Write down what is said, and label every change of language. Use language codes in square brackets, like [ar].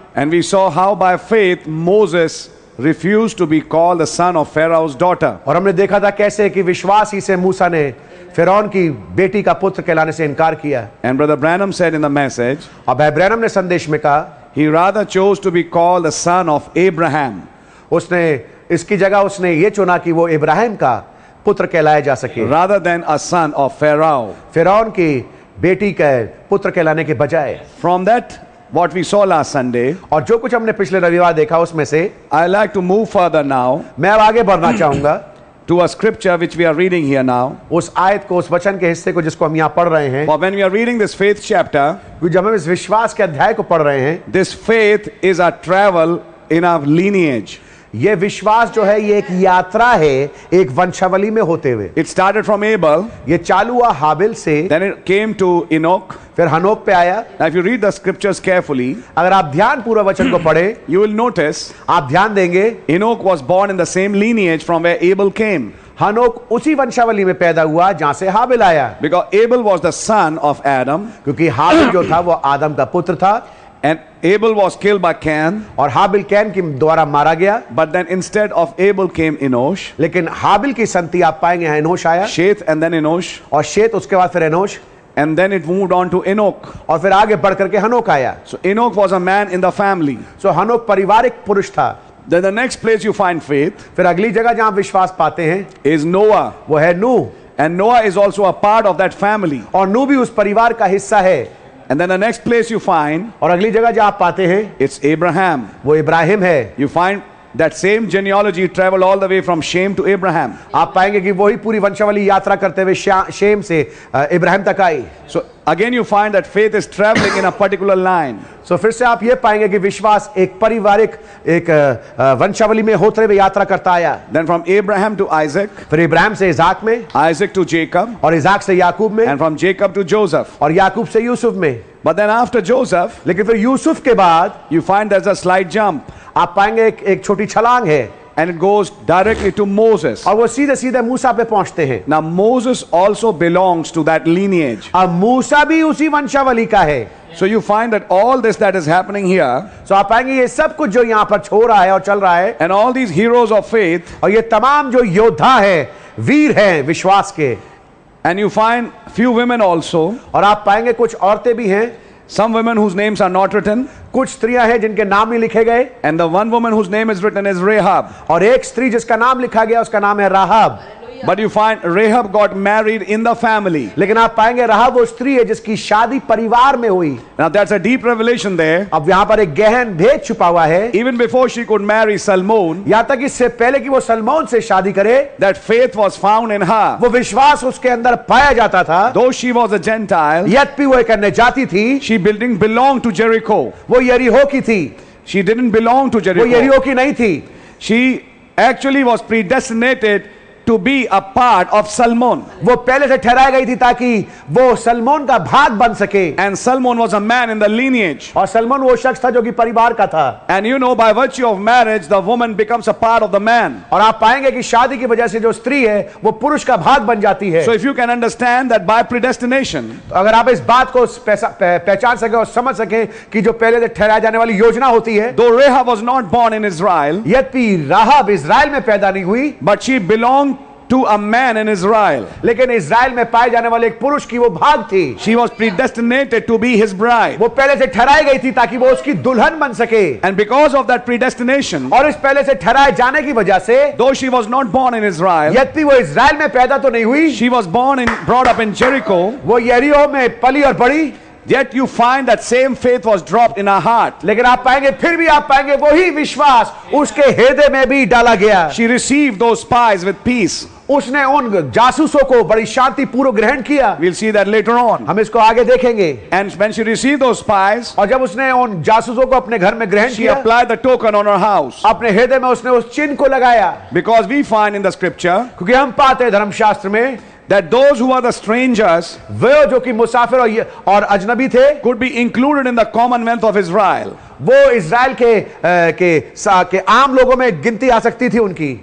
[en] And we saw how by faith Moses refused to be called the son of Pharaoh's daughter. [hi] और हमने देखा था कैसे कि विश्वास ही से मूसा ने फिरौन की बेटी का पुत्र कहलाने से इनकार किया. [en] And brother Branham said in the message. [hi] और भाई ब्रैनम ने संदेश में कहा. [en] He rather chose to be called the son of Abraham. [hi] उसने इसकी जगह उसने ये चुना कि वो इब्राहिम का पुत्र कहलाया जा सके. [en] Rather than a son of Pharaoh. [hi] फिरौन की बेटी का पुत्र कहलाने के बजाय. [en] From that what we saw last Sunday. [hi] और जो कुछ हमने पिछले रविवार देखा उसमें से. [en] I like to move further now. [hi] मैं अब आगे बढ़ना चाहूंगा. [en] To a scripture which we are reading here now. [hi] उस आयत को, उस वचन के हिस्से को जिसको हम यहाँ पढ़ रहे हैं. [en] But when we are reading this faith chapter, [hi] जब हम इस विश्वास के अध्याय को पढ़ रहे हैं. [en] This faith is a travel in our lineage. [hi] ये विश्वास जो है ये एक यात्रा है एक वंशावली में होते हुए. [en] It started from Abel. [hi] ये चालू हुआ हाबिल से. [en] Then it came to Enoch. [hi] फिर हनोक पे आया. [en] Now if you read the scriptures carefully, [hi] अगर आप ध्यान पूर्वक वचन को पढ़े, [en] you will notice, [hi] आप ध्यान देंगे, [en] Enoch was born in the same lineage from where Abel came. [hi] हनोक उसी वंशावली में पैदा हुआ जहां से हाबिल आया. [en] Because Abel was the son of Adam. [hi] क्योंकि हाबिल जो था वो आदम का पुत्र था. [en] And Abel was killed by Cain. [hi] और हाबिल कैन के द्वारा मारा गया. [en] But then instead of Abel came Enosh. [hi] लेकिन हाबिल की संति आप पाएंगे एनोश आया. [en] Sheth and then Enosh. [hi] और Sheth उसके बाद फिर Enosh. [en] And then it moved on to Enoch. [hi] और फिर आगे बढ़कर के हनोक आया. [en] So Enoch was a man in the family. [hi] So हनोक पारिवारिक पुरुष था. [en] Then the next place you find faith. [hi] फिर अगली जगह जहां विश्वास पाते हैं. [en] Is Noah. [hi] वो है नूह. [en] And Noah is also a part of that family. [hi] और नूह भी उस परिवार का हिस्सा है. [en] And then the next place you find. [hi] और अगली जगह जहां आप पाते हैं. [en] It's Abraham. [hi] वो इब्राहिम है. [en] You find that same genealogy travel all the way from Shem to Abraham. [hi] आप पाएंगे कि वही पूरी वंशावली यात्रा करते हुए शेम से इब्राहिम तक आई. [en] So again you find that faith is traveling in a particular line. [hi] So फिर से आप ये पाएंगे कि विश्वास एक पारिवारिक एक वंशावली में होते हुए यात्रा करता आया. [en] Then from Abraham to Isaac. [hi] फिर इब्राहिम से इसहाक में. [en] Isaac to Jacob. [hi] और इसहाक से याकूब में. [en] And from Jacob to Joseph. [hi] और याकूब से यूसुफ में. [en] But then after Joseph. [hi] लेकिन फिर यूसुफ के बाद. [en] You find there's a slight jump. [hi] आप पाएंगे एक छोटी छलांग है. [en] And it goes directly to Moses. [hi] और वो सीधे मूसा पे पहुंचते हैं. [en] Now Moses also belongs to that lineage. [hi] अब मूसा भी उसी वंशावली का है. [en] So you find that all this that is happening here. [hi] So आप पाएंगे ये सब कुछ जो यहाँ पर हो रहा है और चल रहा है. [en] And all these heroes of faith. [hi] और ये तमाम जो योद्धा है वीर है विश्वास के. [en] And you find few women also. [hi] और आप पाएंगे कुछ औरतें भी हैं. [en] Some women whose names are not written. [hi] कुछ स्त्रियां हैं जिनके नाम नहीं लिखे गए. [en] And the one woman whose name is written is Rahab. [hi] और एक स्त्री जिसका नाम लिखा गया उसका नाम है राहब. [en] But you find Rahab got married in the family. [hi] लेकिन आप पाएंगे राहब वो स्त्री है जिसकी शादी परिवार में हुई. [en] Now that's a deep revelation there. [hi] अब यहाँ पर एक गहन भेद छुपा हुआ है. [en] Even before she could marry Salmon. [hi] यहाँ तक इससे पहले कि वो सलमोन से शादी करे. [en] That faith was found in her. [hi] वो विश्वास उसके अंदर पाया जाता था. [en] Though she was a Gentile. [hi] यद्यपि वो एक अन्य जाति थी. [en] She belonged to Jericho. [hi] वो यरीहो की थी. [en] She didn't belong to Jericho. [hi] वो यरीहो की नहीं थी. [en] She actually was predestinated to be a part of Salmon. [hi] वो पहले से ठहराई गई थी ताकि वो सलमोन का भाग बन सके. [en] And Salmon was a man in the lineage. [hi] और सलमोन वो शख्स था जो कि परिवार का था. [en] And you know, by virtue of marriage, the woman becomes a part of the man. [hi] और आप पाएंगे कि शादी की वजह से जो स्त्री है, वो पुरुष का भाग बन जाती है. [en] So if you can understand that by predestination, [hi] अगर आप इस बात को पहचान सके और समझ सके कि जो पहले से ठहराई जाने वाली योजना होती है. [en] Though Rahab was not born in Israel, [hi] यद्यपि राहब इज़राइल में पैदा नहीं हुई, [en] but she belonged to a man in Israel. [hi] लेकिन इज़राइल में पाए जाने वाले एक पुरुष की वो भाग थी. [en] She was predestinated to be his bride. [hi] वो पहले से ठहराई गई थी ताकि वो उसकी दुल्हन बन सके. [en] And because of that predestination, [hi] और इस पहले से ठहराए जाने की वजह से, [en] though she was not born in Israel, [hi] यद्यपि वो इज़राइल में पैदा तो नहीं हुई, [en] she was born and brought up in Jericho. [hi] वो यरीहो में पली और बड़ी. [en] Yet you find that same faith was dropped in her heart. [hi] लेकिन आप पाएंगे, फिर भी आप पाएंगे वही विश्वास उसके हृदय में भी डाला गया. [en] She received those spies with peace. [hi] उसने उन जासूसों को बड़ी शांति पूर्व ग्रहण किया. [en] We'll see that later on. [hi] हम इसको आगे देखेंगे. [en] And when she received those spies, [hi] और जब उसने उन जासूसों को अपने घर में ग्रहण किया, [en] she applied the token on her house. [hi] अपने हृदय में उसने उस चिन्ह को लगाया. [en] Because we find in the scripture, [hi] क्योंकि हम पाते हैं धर्मशास्त्र में, [en] that those who are the strangers, [hi] वो जो कि मुसाफिर और अजनबी थे, [en] could be included in the commonwealth of Israel. [hi] वो इज़राइल के आम लोगों में गिनती आ सकती थी उनकी.